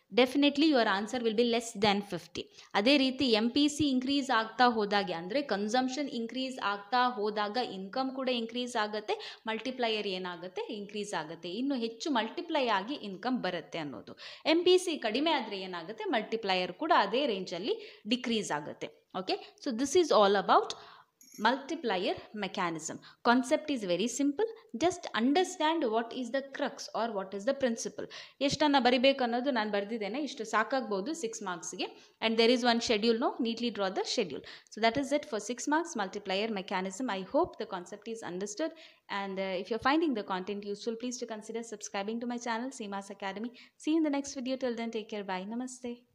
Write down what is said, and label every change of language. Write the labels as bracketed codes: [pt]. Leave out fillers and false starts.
[en] Definitely your answer will be less than 50. [kn] ಅದೇ ರೀತಿ M P C increase ಆಗ್ತಾ ಹೋದಾಗೆ ಅಂದರೆ ಕನ್ಸಂಪ್ಷನ್ ಇನ್ಕ್ರೀಸ್ ಆಗ್ತಾ ಹೋದಾಗ ಇನ್ಕಮ್ ಕೂಡ ಇನ್ಕ್ರೀಸ್ ಆಗುತ್ತೆ, ಮಲ್ಟಿಪ್ಲೈಯರ್ ಏನಾಗುತ್ತೆ, ಇನ್ಕ್ರೀಸ್ ಆಗುತ್ತೆ, ಇನ್ನೂ ಹೆಚ್ಚು ಮಲ್ಟಿಪ್ಲೈ ಆಗಿ ಇನ್ಕಮ್ ಬರುತ್ತೆ ಅನ್ನೋದು. ಎಮ್ ಪಿ ಸಿ ಕಡಿಮೆ ಆದರೆ ಏನಾಗುತ್ತೆ, ಮಲ್ಟಿಪ್ಲೈಯರ್ ಕೂಡ ಅದೇ ರೇಂಜಲ್ಲಿ ಡಿಕ್ರೀಸ್ ಆಗುತ್ತೆ. [en] Okay, so this is all about multiplier mechanism. Concept is very simple, just understand what is the crux or what is the principle. [kn] ಎಷ್ಟನ್ನು ಬರಿಬೇಕು ಅನ್ನೋದು ನಾನು ಬರೆದಿದ್ದೇನೆ, ಇಷ್ಟು ಸಾಕಾಗ್ಬೋದು 6 ಮಾರ್ಕ್ಸ್ಗೆ. [en] And there is one schedule, no neatly draw the schedule. So that is it for 6 marks multiplier mechanism. I hope the concept is understood. And if you finding the content useful, please to consider subscribing to my channel Seema's Academy. See in the next video. Till then take care, bye, ನಮಸ್ತೆ.